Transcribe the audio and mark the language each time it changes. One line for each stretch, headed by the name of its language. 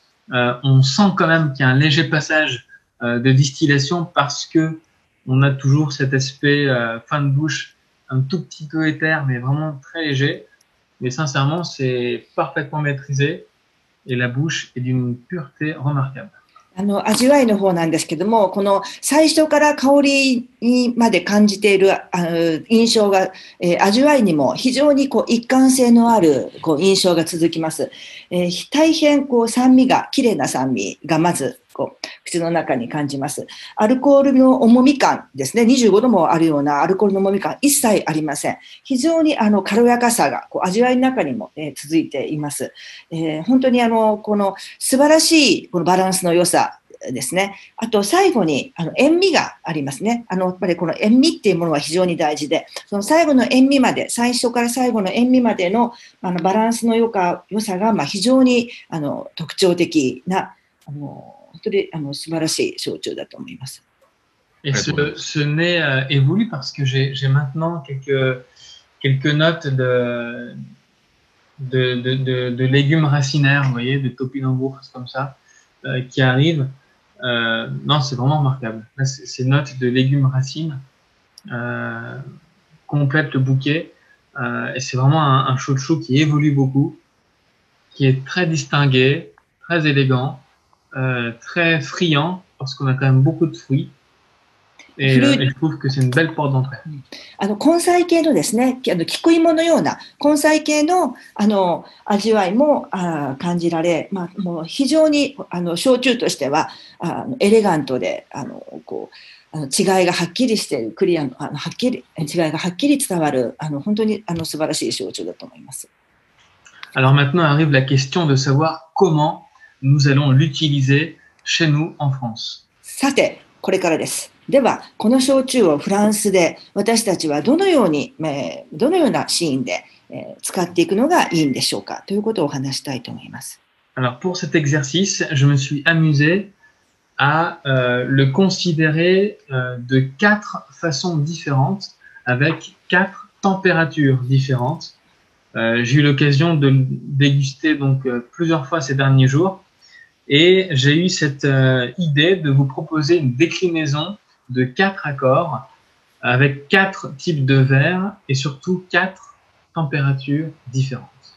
French: On sent quand même qu'il y a un léger passage de distillation parce que on a toujours cet aspect fin de bouche un tout petit peu éther, mais vraiment très léger. Mais sincèrement, c'est parfaitement maîtrisé. Et la bouche est d'une pureté remarquable.
Japanese: 味わいの方なんですけども、この最初から香りにまで感じている印象が、味わいにも非常にこう一貫性のあるこう印象が続きます。大変こう酸味が、きれいな酸味がまずこう口の中に感じます。アルコールの重み感ですね、25度もあるようなアルコールの重み感、一切ありません。非常にあの軽やかさがこう味わいの中にも、続いています。本当にこの素晴らしいこのバランスの良さですね。あと最後に塩味がありますね。やっぱりこの塩味っていうものは非常に大事で、その最後の塩味まで、最初から最後の塩味までの、バランスの良さが、まあ、非常に特徴的な、本当に素晴らしい焼酎だと思います。
French: Et ce nez évolue parce que j'ai maintenant quelques notes de légumes racinaires, vous voyez, de topinambour, c'est comme ça, qui arrivent. Non, c'est vraiment remarquable. Là, ces notes de légumes racines complètent le bouquet. Et c'est vraiment un chouchou qui évolue beaucoup, qui est très distingué, très élégant. très friand parce qu'on a quand même beaucoup de fruits.
Japanese: フルーツ。系のですね、あの菊芋のような根菜系 の, あの味わいもあ感じられ、まあ、もう非常にあの焼酎としてはあエレガントで、あのこうあの違いがはっきりしているクリアのあのはっきり違いがはっきり伝わるあの本当にあの素晴らしい焼酎だと思います。
French: Alors maintenant arrive la question de savoir comment nous allons l'utiliser chez nous en France。
Japanese: さてこれからです。ではこの焼酎をフランスで私たちはどのようにどのようなシーンで使っていくのがいいんでしょうかということを話したいと思います。
French: Alors pour cet exercice, je me suis amusé à le considérer de quatre façons différentes avec quatre températures différentes. J'ai eu l'occasion de déguster donc plusieurs fois ces derniers jours et j'ai eu cette idée de vous proposer une déclinaison de quatre accords avec quatre types de verres et surtout quatre températures différentes.